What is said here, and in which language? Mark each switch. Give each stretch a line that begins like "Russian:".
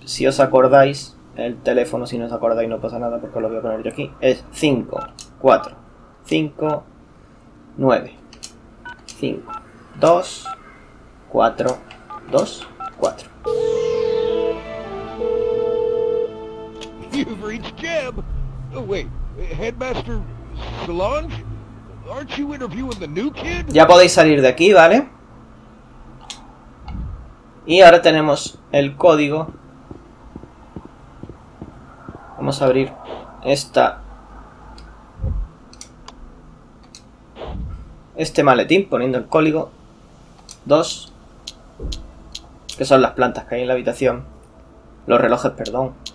Spanish: Si os acordáis, el teléfono, si no os acordáis no pasa nada porque lo voy a poner yo aquí, es 5, 4, 5, 9, 5, 2, 4, 2, 4.
English: You've reached Jeb. Oh, wait, Headmaster Solange? Aren't you interviewing the new kid?
Spanish: Ya podéis salir de aquí, ¿vale? Y ahora tenemos el código. Vamos a abrir este maletín poniendo el código 2, que son las plantas que hay en la habitación. Los relojes, perdón.